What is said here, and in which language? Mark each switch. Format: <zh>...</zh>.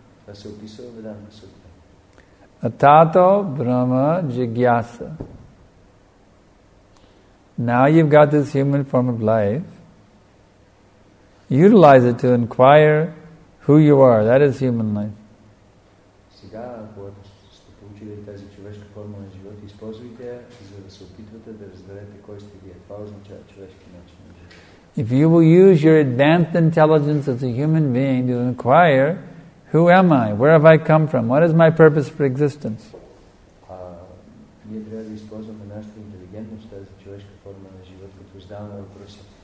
<sa>Atato Brahma Jigyasa.</sa> <en>Now you've got this human form of life. Utilize it to inquire who you are. That is human life.</en> <bg>Сега, когато сте получили тази човешка форма на живота, използвайте я, за да се опитвате да разберете кой сте вие. Това означава човешки начин на живота.</bg> <en>If you will use your advanced intelligence as a human being to inquire, who am I? Where have I come from? What is my purpose for existence?</en> <bg>Ние трябва да използваме нашата интелигентност, тази човешка форма на живота, като задаваме въпроси.</bg>